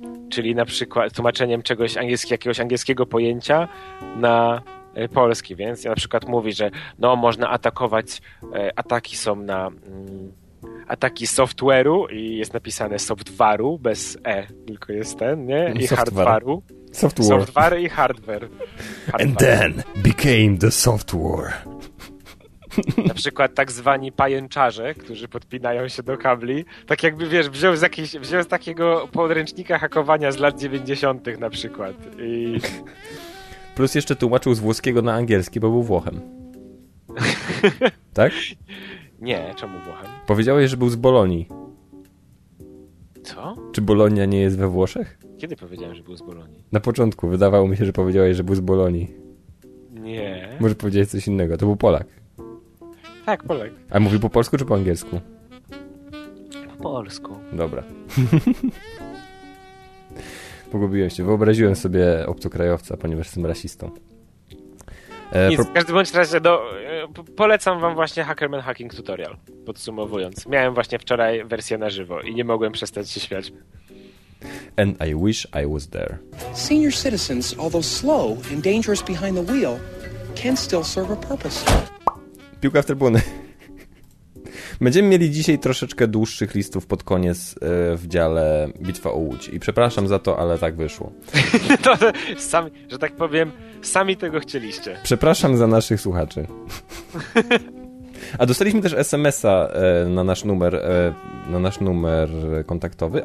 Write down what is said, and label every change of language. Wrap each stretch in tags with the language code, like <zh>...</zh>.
<pl>Czyli na przykład tłumaczeniem czegoś jakiegoś angielskiego pojęcia na... Polski, więc ja na przykład mówi, że no można atakować, ataki są na ataki software'u i jest napisane softwaru, bez e, tylko jest ten, nie? I hardwaru.</pl> <en>Software.</en> <pl>Software i hardware.</pl> <en>And then became the software.</en> <pl>Na przykład tak zwani pajęczarze, którzy podpinają się do kabli. Tak jakby, wiesz, wziął z takiego podręcznika hakowania z lat 90. na przykład. I... Plus jeszcze tłumaczył z włoskiego na angielski, bo był Włochem. Tak? Nie, czemu Włochem? Powiedziałeś, że był z Bolonii. Co? Czy Bolonia nie jest we Włoszech? Kiedy powiedziałem, że był z Bolonii? Na początku wydawało mi się, że powiedziałeś, że był z Bolonii. Nie. Może powiedziałeś coś innego. To był Polak. Tak, Polak. A mówi po polsku czy po angielsku? Po polsku. Dobra. Pogubiłem się. Wyobraziłem sobie obcokrajowca, ponieważ jestem rasistą. W każdym bądź razie, no, polecam wam właśnie Hackerman Hacking Tutorial, podsumowując. Miałem właśnie wczoraj wersję na żywo i nie mogłem przestać się śmiać.</pl> <en>And I wish I was there. Senior citizens, although slow and dangerous behind the wheel, can still serve a purpose.</en> <pl>Piłka w trybuny. Będziemy mieli dzisiaj troszeczkę dłuższych listów pod koniec w dziale Bitwa o Łódź. I przepraszam za to, ale tak wyszło. To, sami, że tak powiem, sami tego chcieliście. Przepraszam za naszych słuchaczy. A dostaliśmy też SMS-a na nasz numer, na nasz numer kontaktowy.</pl>